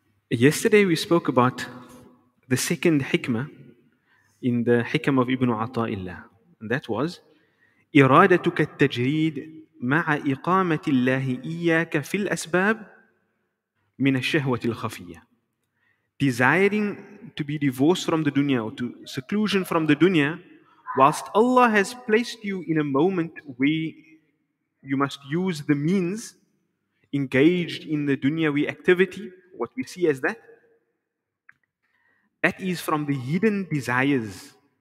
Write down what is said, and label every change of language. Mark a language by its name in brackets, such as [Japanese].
[English] Yesterday we spoke about the second hikmah in the hikmah of Ibn Ata'illah. And that was, [Arabic] إرادتك التجريد مع إقامة الله إياك في الأسباب من الشهوة الخفية. [English] Desiring to be divorced from the dunya or to seclusion from the dunya, whilst Allah has placed you in a moment where you must use the means engaged in the dunyawi activity, what we see as that, that is from the hidden desires.